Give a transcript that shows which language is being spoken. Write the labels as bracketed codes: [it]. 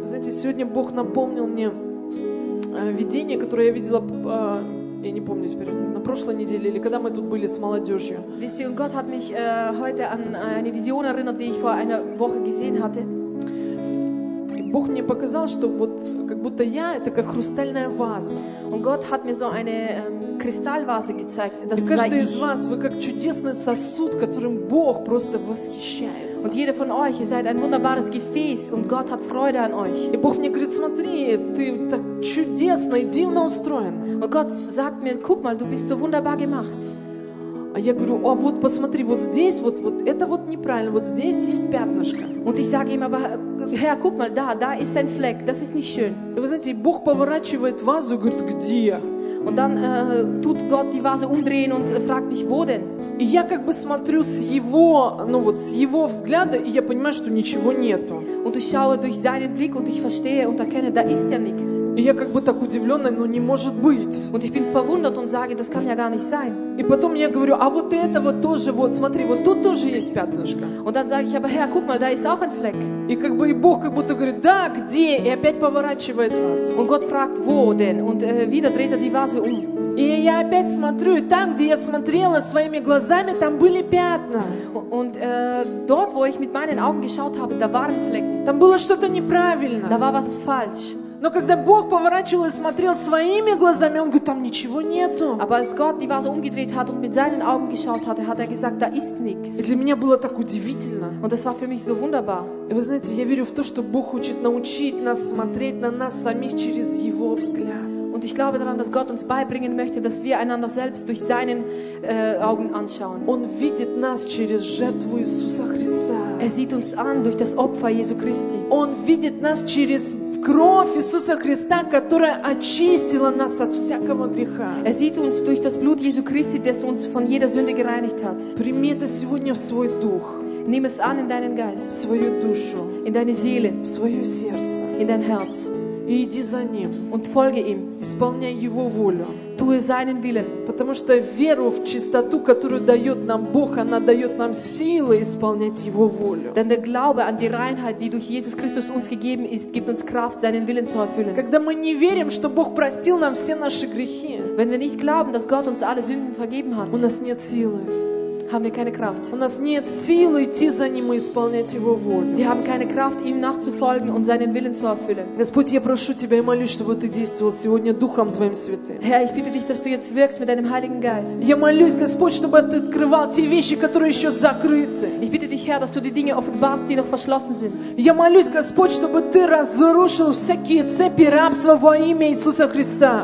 [ru] Вы знаете, сегодня Бог напомнил мне видение, которое я видела. Я не помню теперь, на прошлой неделе или когда мы тут были с молодежью. [de] Wisst ihr, Gott hat mich heute an eine Vision erinnert, die ich vor einer Woche gesehen hatte. [ru] И Бог мне показал, что вот как будто я это как хрустальная ваза. [de] Und Gott hat mir so eine Kristallvase gezeigt, das sei ich. [ru] Каждый из вас, вы как чудесный сосуд, которым Бог просто восхищается. [de] Und jeder von euch, ihr seid ein wunderbares Gefäß und Gott hat Freude an euch. [ru] И Бог мне говорит, смотри, ты так чудесно и дивно устроен. [de] Und Gott sagt mir, guck mal, du bist so wunderbar gemacht. [ru] А я говорю, о, вот посмотри, вот здесь, вот, вот это вот неправильно, вот здесь есть пятнышко. [de] Und ich sage ihm, aber Herr, guck mal, da ist ein Fleck, das ist nicht schön. [ru] И вы знаете, Бог поворачивает вазу и говорит, где? [de] Und dann tut Gott die Vase umdrehen und fragt mich, wo denn? [ru] И я как бы смотрю с его, ну вот с его взгляда, и я понимаю, что ничего нету. [de] Und ich schaue durch seinen Blick und ich verstehe und erkenne, da ist ja nichts. [ru] И я как бы так удивлённый, но не может быть. [de] Und ich bin verwundert und sage, das kann ja gar nicht sein. [ru] И потом я говорю, а вот это вот тоже, вот смотри, вот тут тоже есть пятнышко. [de] Und dann sage ich, aber Herr, guck mal, da ist auch ein Fleck. [ru] И как бы и Бог как будто говорит, да, где? И опять поворачивает вас. [de] Und Gott fragt, wo denn? Und wieder dreht die Vase um. [ru] И я опять смотрю, и там, где я смотрела своими глазами, там были пятна. [de] Und dort, wo ich mit meinen Augen geschaut habe, da waren Flecken. [ru] Там было что-то неправильно. [de] Da war was falsch. [ru] Но когда Бог поворачивал и смотрел своими глазами, он говорит, там ничего нету. [de] Aber als Gott die Vase umgedreht hat und mit seinen Augen geschaut hatte, hat gesagt, da ist nichts. [ru] И для меня было так удивительно. [de] Und das war für mich so wunderbar. [ru] И вы знаете, я верю в то, что Бог хочет научить нас смотреть на нас самих через Его взгляд. [de] Und ich glaube daran, dass Gott uns beibringen möchte, dass wir einander selbst durch seinen Augen anschauen. [ru] Он видит нас через жертву Иисуса Христа. [de] Er sieht uns an durch das Opfer Jesu Christi. [ru] Он видит нас через кровь Иисуса Христа, которая очистила нас от всякого греха. [de] Er sieht uns durch das Blut Jesu Christi, das uns von jeder Sünde gereinigt hat. [ru] Прими это сегодня в свой дух. [de] Nimm es an in deinen Geist. [ru] В свою душу. [de] In deine Seele. [ru] В свое сердце. [de] In dein Herz. [ru] И иди за ним. [de] Und folge ihm. [ru] Исполняй его волю. [de] Tue seinen Willen. [ru] Потому что веру в чистоту, которую дает нам Бог, она дает нам силы исполнять его волю. [de] Denn der Glaube an die Reinheit, die durch Jesus Christus uns gegeben ist, gibt uns Kraft, seinen Willen zu erfüllen. [ru] Когда мы не верим, что Бог простил нам все наши грехи, [de] wenn wir nicht glauben, dass Gott uns alle Sünden vergeben hat, [ru] у нас нет силы. [de] Haben wir keine Kraft. [ru] У нас нет силы идти за ним и исполнять его волю. [de] Wir haben keine Kraft, ihm nachzufolgen und seinen Willen zu erfüllen. [ru] Господь, я прошу тебя и молюсь, чтобы ты действовал сегодня Духом твоим святым. [de] Herr, ich bitte dich, dass du jetzt wirkst mit deinem Heiligen Geist. [ru] Я молюсь, Господь, чтобы ты открывал те вещи, которые еще закрыты. [de] Ich bitte dich, Herr, dass du die Dinge offenbarst, die noch verschlossen sind. [ru] Я молюсь, Господь, чтобы ты разрушил всякие цепи рабства во имя Иисуса Христа.